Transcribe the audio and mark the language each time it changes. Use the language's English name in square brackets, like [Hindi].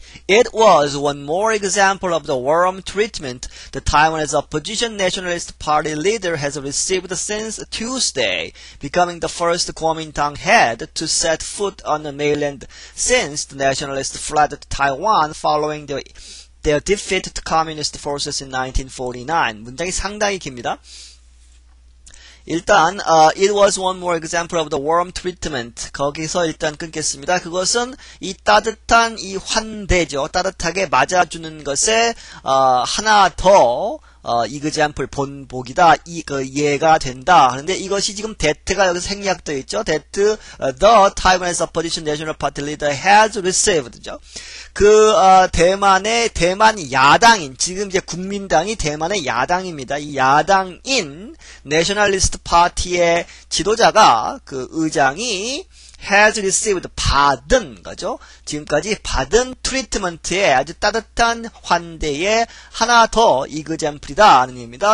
[English] It was one more example of the warm treatment the Taiwan's opposition nationalist party leader has received since Tuesday, becoming the first Kuomintang head to set foot on the mainland since the nationalists fled Taiwan following their defeat to communist forces in 1949. [Korean] 문장이 상당히 깁니다. [English] 일단 it was one more example of the warm treatment. [Korean] 거기서 일단 끊겠습니다. 그것은 이 따뜻한 이 환대죠. 따뜻하게 맞아주는 것에 하나 더 example 본보기다. 이 그 예가 된다. 그런데 이것이 지금 that가 여기서 생략되어 있죠. [English] That the Taiwan's opposition national party leader has received죠. [Korean] 그 대만의 대만 야당인, 지금 이제 국민당이 대만의 야당입니다. 이 야당인 내셔널리스트 파티의 지도자가, 그 의장이 [English] has received, [Korean] 받은 거죠. 지금까지 받은 트리트먼트의 아주 따뜻한 환대의 하나 더 이그잼플이다 하는 얘기입니다.